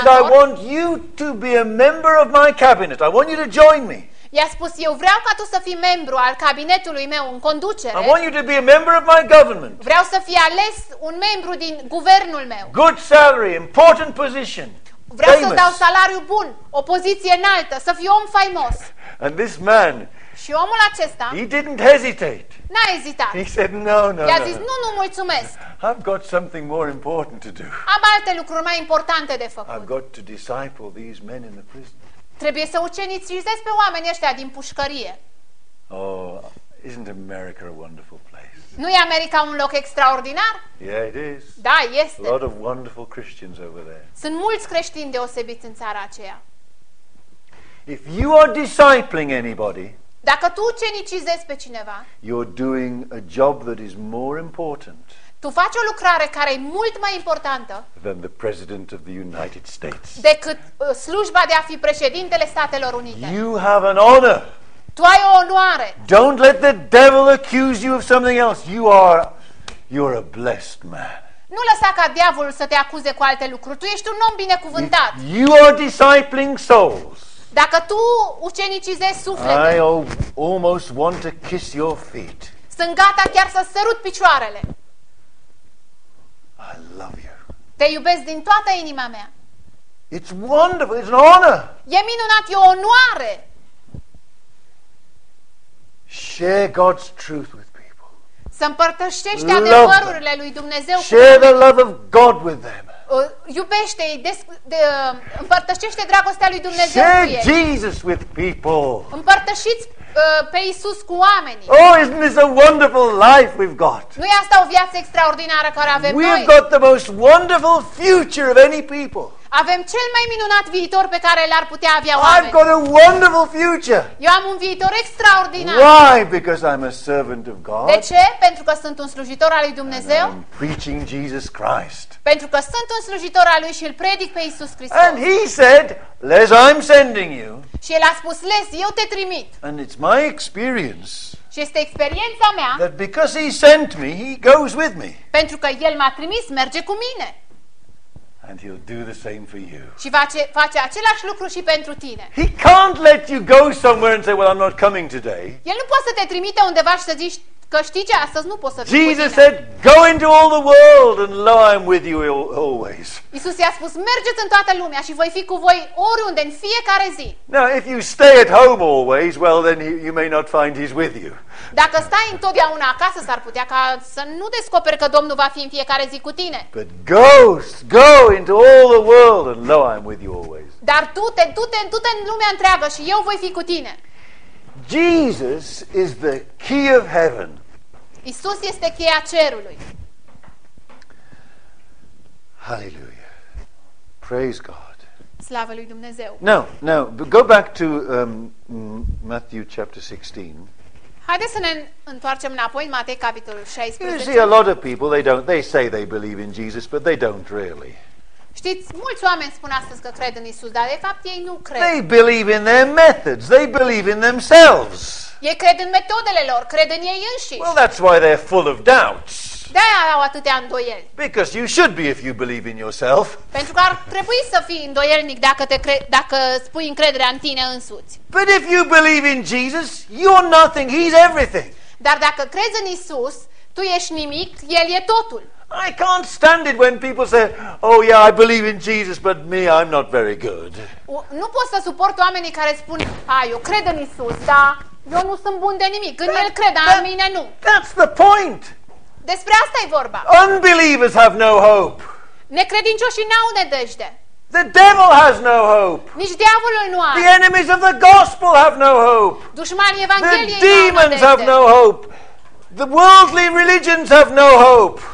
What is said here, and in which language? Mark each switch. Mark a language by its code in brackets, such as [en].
[en] He said, I want you to be a member of my cabinet. I want you to join me. [ro] I-a spus, eu vreau ca tu să fii membru al cabinetului meu în conducere. [en] I want you to be a member of my government. [ro] Vreau să fii ales un membru din guvernul meu. [en] Good salary, important position. [ro] Vreau să dau salariu bun, o poziție înaltă, să fiu om faimos. [en] And this man. [ro] Și omul acesta. [en] He didn't hesitate. [ro] N-a ezitat. [en] He said no, no. [ro] I-a zis nu, mulțumesc. [en] I've got something more important to do. [ro] Am alte lucruri mai importante de făcut. [en] I've got to disciple these men in the prison. [ro] Trebuie să ucenicizezi pe oamenii ăștia din pușcărie. [en] Oh, isn't America a wonderful place? [ro] Nu e America un loc extraordinar? [en] Yeah, it is. [ro] Da, este. [en] A lot of wonderful Christians over there. [ro] Sunt mulți creștini deosebiți în țara aceea. [en] If you are discipling anybody, [ro] dacă tu ucenicizezi pe cineva, [en] you're doing a job that is more important. [ro] Tu faci o lucrare care e mult mai importantă [en] than the president of the United States. [ro] Decât slujba de a fi președintele Statelor Unite. [en] You have an honor. [ro] Tu ai o onoare. [en] Don't let the devil accuse you of something else. You're a blessed man. [ro] Nu lăsa ca diavolul să te acuze cu alte lucruri. Tu ești un om binecuvântat. [en] You are discipling souls. [ro] Dacă tu ucenicizezi suflete, [en] I almost want to kiss your feet. [ro] Sunt gata chiar să sărut picioarele. [en] I love you. [ro] Te iubesc din toată inima mea. [en] It's wonderful. It's an honor. [ro] E minunat, e o onoare. [en] Share God's truth with people. [ro] Să împărtășești adevărurile lui Dumnezeu. [en] Share the love of God with them. [ro] Iubește-i, împărtășește dragostea lui Dumnezeu. [en] Share Jesus with people. [ro] Împărtășiți pe Iisus cu oamenii. [en] Oh, isn't this a wonderful life we've got? [ro] Nu e asta o viață extraordinară care avem noi? [en] We've got the most wonderful future of any people. [ro] Avem cel mai minunat viitor pe care l-ar putea avea oameni. [en] I've got a wonderful future. [ro] Eu am un viitor extraordinar. [en] Why? Because I'm a servant of God. [ro] De ce? Pentru că sunt un slujitor al lui Dumnezeu. [en] And I'm preaching Jesus Christ. [ro] Pentru că sunt un slujitor al lui și îl predic pe Iisus Hristos. [en] And he said, Les, I'm sending you. [ro] Și el a spus, Les, eu te trimit. [en] And it's my experience. [ro] Și este experiența mea. [en] That because he sent me, he goes with me. [ro] Pentru că el m-a trimis, merge cu mine. [en] And he'll do the same for you. [ro] Și face același lucru și pentru tine. [en] He can't let you go somewhere and say, "Well, I'm not coming today." [ro] El nu poate să te trimite undeva și să zici că știi ce, astăzi nu poți să vii. [en] Jesus said, "Go into all the world and lo, I'm with you always." [ro] Iisus i-a spus, "Mergeți în toată lumea și voi fi cu voi oriunde, în fiecare zi." [en] Now, if you stay at home always, well then you may not find he's with you. [ro] Dacă stai întotdeauna acasă, s-ar putea ca să nu descoperi că Domnul va fi în fiecare zi cu tine. [en] But go, go into all the world and lo, I'm with you always. [ro] Dar du-te în lumea întreagă și eu voi fi cu tine. [en] Jesus is the key of heaven. [ro] Iisus este cheia cerului. [en] Hallelujah. Praise God. [ro] Slavă lui Dumnezeu. [en] No, go back to Matthew chapter 16. [ro] Haideți să ne întoarcem înapoi în Matei capitolul 16. [en] You see, a lot of people they say they believe in Jesus, but they don't really. [ro] Știți, mulți oameni spun astăzi că cred în Isus, dar de fapt ei nu cred. [en] They believe in their methods. They believe in themselves. [ro] Ei cred în metodele lor, cred în ei înșiși. [en] Well, that's why they're full of doubts. [ro] De-aia au atâtea îndoieli. [en] Because you should be if you believe in yourself. [ro] Pentru că ar trebui să fii îndoielnic dacă spui încrederea în tine însuți. [en] But if you believe in Jesus, you're nothing, he's everything. [ro] Dar dacă crezi în Isus, tu ești nimic, el e totul. [en] I can't stand it when people say, "Oh yeah, I believe in Jesus, but me, I'm not very good." [ro] Nu pot să suport oamenii care spun, eu cred în Isus, dar eu nu sunt bun de nimic. În el cred, dar în mine nu. [en] That's the point. [ro] Despre asta e vorba. [en] Unbelievers have no hope. [ro] Necredincioșii n-au nădejde. [en] The devil has no hope. [ro] Nici diavolul nu are. [en] The enemies of the gospel have no hope. [ro] Dușmanii evangheliei n-au nădejde. [en] The demons have no hope. The worldly religions have no hope.